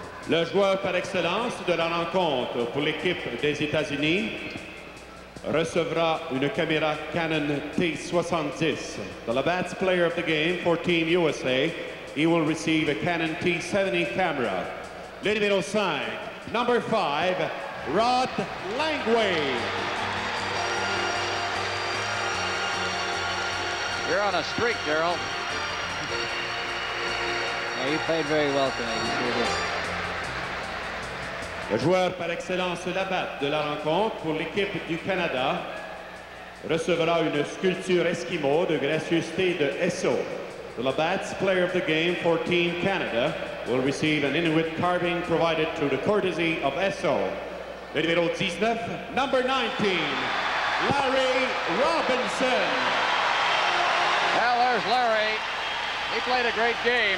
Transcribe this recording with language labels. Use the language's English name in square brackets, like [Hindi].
[French] Le joueur par excellence de la rencontre pour l'équipe des États-Unis recevra une caméra Canon T70. [English] The Labatt's player of the game for Team USA, he will receive a Canon T70 camera. [French] Le numéro 5, [English] number 5, [French] Rod Lẹnгвей. [English] You're on a streak, Daryl. Yeah, you played very well tonight. You sure did. [French] Le joueur par excellence Labatt de la rencontre pour l'équipe du Canada recevra une sculpture Eskimo de gracieuseté de Esso. [English] The Labatt's player of the game for Team Canada will receive an Inuit carving provided through the courtesy of Esso. [French] Numéro 19, [English] number 19, [French] Larry Robinson. [English] Well, there's Larry. He played a great game.